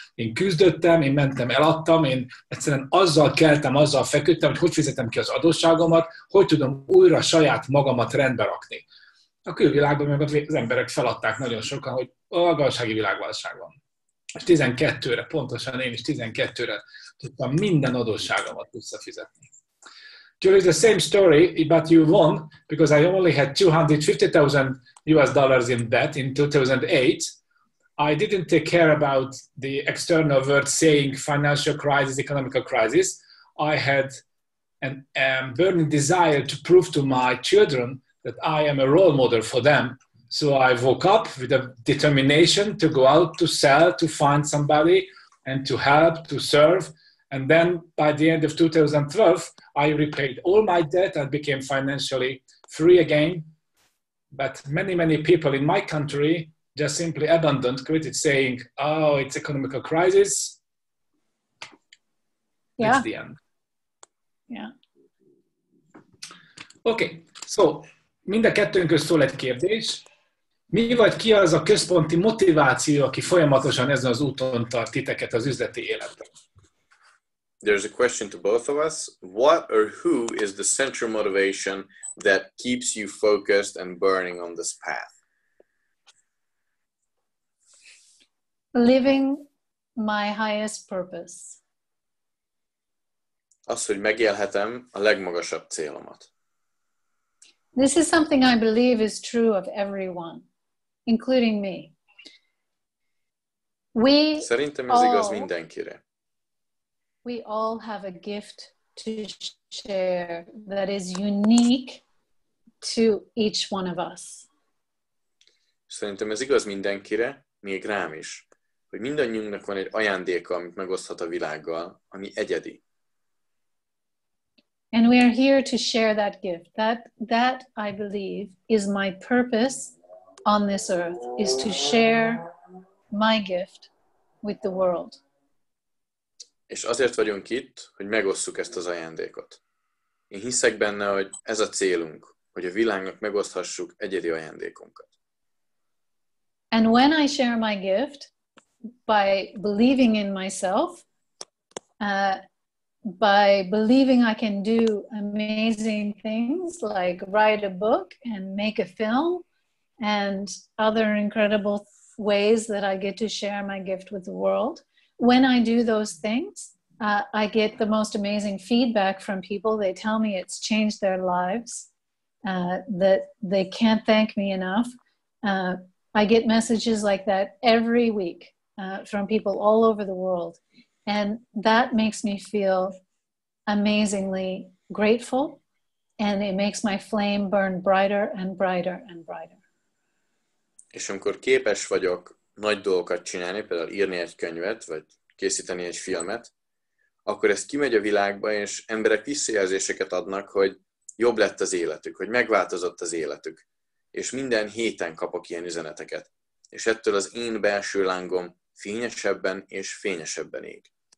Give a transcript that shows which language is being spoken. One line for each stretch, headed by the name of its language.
Hungarian: Én küzdöttem, én mentem, eladtam, én egyszerűen azzal keltem, azzal feküdtem, hogy hogy fizetem ki az adósságomat, hogy tudom újra saját magamat rendbe rakni. A külvilágban meg az emberek feladták nagyon sokan, hogy a gazdasági világválság van. És 12-re, pontosan én is 12-re tudtam minden adósságomat visszafizetni.
English: Julie, it's the same story, but you won, because I only had $250,000 in debt in 2008. I didn't take care about the external world saying financial crisis, economical crisis. I had an burning desire to prove to my children that I am a role model for them. So I woke up with a determination to go out to sell, to find somebody and to help, to serve. And then by the end of 2012, I repaid all my debt and became financially free again. But many, many people in my country just simply abandoned, quit it, saying, oh, it's economical crisis. Yeah. That's the end. Yeah. Okay, so
Hungarian: mind a kettőnkhöz szól egy kérdés. Mi vagy ki az a központi motiváció, aki folyamatosan ezen az úton tart titeket az üzleti életben?
English: There's a question to both of us. What or who is the central motivation that keeps you focused and burning on this path? Living my highest purpose.
Hungarian: Az, hogy megélhetem a legmagasabb célomat.
English: This is something I believe is true of everyone, including me.
Hungarian: Szerintem ez igaz mindenkire.
English: We all have a gift to share that is unique to each one of us.
Hungarian: Szerintem ez igaz mindenkire, még rám is, hogy mindannyiunknak van egy ajándéka, amit megoszthat a világgal, ami egyedi.
English: And we are here to share that gift. That I believe is my purpose on this earth, is to share my gift with the world.
Hungarian: És azért vagyunk itt, hogy megosszuk ezt az ajándékot. Én hiszek benne, hogy ez a célunk, hogy a világnak megoszthassuk egyedi ajándékunkat.
English: And when I share my gift, by believing in myself, by believing I can do amazing things, like write a book and make a film, and other incredible ways that I get to share my gift with the world, when I do those things, I get the most amazing feedback from people. They tell me it's changed their lives, that they can't thank me enough. I get messages like that every week from people all over the world. And that makes me feel amazingly grateful, and it makes my flame burn brighter and brighter and brighter.
Hungarian: És amikor képes vagyok nagy dolgokat csinálni, például írni egy könyvet, vagy készíteni egy filmet, akkor ez kimegy a világba, és emberek visszajelzéseket adnak, hogy jobb lett az életük, hogy megváltozott az életük. És minden héten kapok ilyen üzeneteket. És ettől az én belső lángom fényesebben és fényesebben ég.